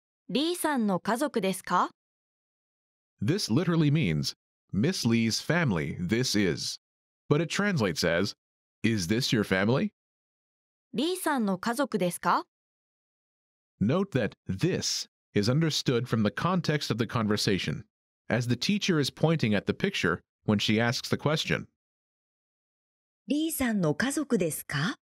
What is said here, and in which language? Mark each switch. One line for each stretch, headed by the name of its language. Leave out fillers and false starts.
Japanese: リーさんの家族ですか?
English: This literally means Miss Lee's family, this is. But it translates as Is this your family?
Japanese: リーさんの家族ですか?
English: Note that this is understood from the context of the conversation, as the teacher is pointing at the picture when she asks the question.
Japanese: リーさんの家族ですか?